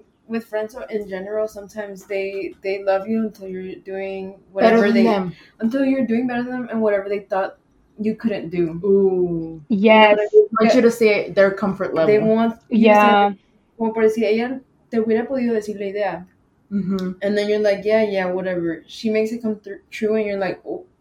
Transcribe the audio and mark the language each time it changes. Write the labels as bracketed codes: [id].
[en] With friends in general, sometimes they love you until you're doing better than them and whatever they thought you couldn't do. Ooh. Yes. They want you to see their comfort level. They want you to see, [es] como por decir, ella te hubiera podido decir la idea. [en] And then you're like, yeah, whatever. She makes it come true, and you're like, oh.